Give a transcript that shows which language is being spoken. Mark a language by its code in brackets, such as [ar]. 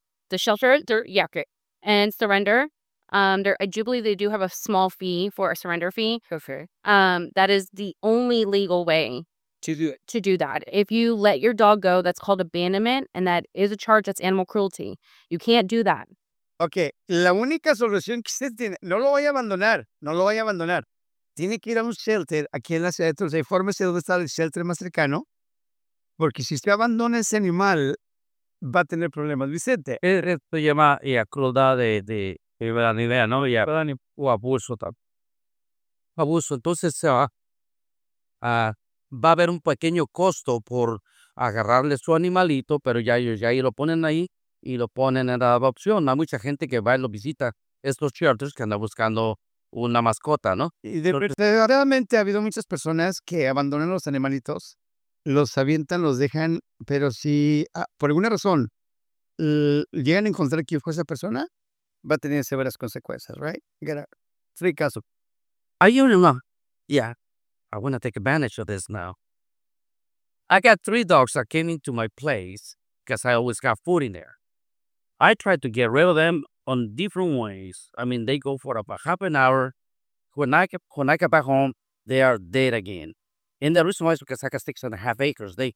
[en] the shelter, okay, and surrender. I do believe they do have a small fee for a surrender fee. Okay. That is the only legal way to do that. If you let your dog go, that's called abandonment, and that is a charge. That's animal cruelty. You can't do that. Okay. [es] La única solución que usted tiene, no lo vaya a abandonar. Tiene que ir a un shelter aquí en la ciudad de Tulsa. Infórmese dónde está el shelter más cercano, porque si usted abandona ese animal, va a tener problemas, Vicente. Esto llama a crueldad de la idea, ¿no? Y o abuso también. Abuso. Entonces, va a haber un pequeño costo por agarrarle su animalito, pero ya lo ponen ahí y lo ponen en la adopción. Hay mucha gente que va y lo visita, estos charters que andan buscando una mascota, ¿no? Y desgraciadamente ha habido muchas personas que abandonan los animalitos. Los avientan, los dejan, pero si por alguna razón llegan a encontrar que fue esa persona, va a tener severas consecuencias, [en] right? Free caso. Are you in love? Yeah. I want to take advantage of this now. I got three dogs that came into my place because I always got food in there. I tried to get rid of them on different ways. I mean, they go for about half an hour. When I get back home, they are dead again. And the reason why is because I got 6.5 acres.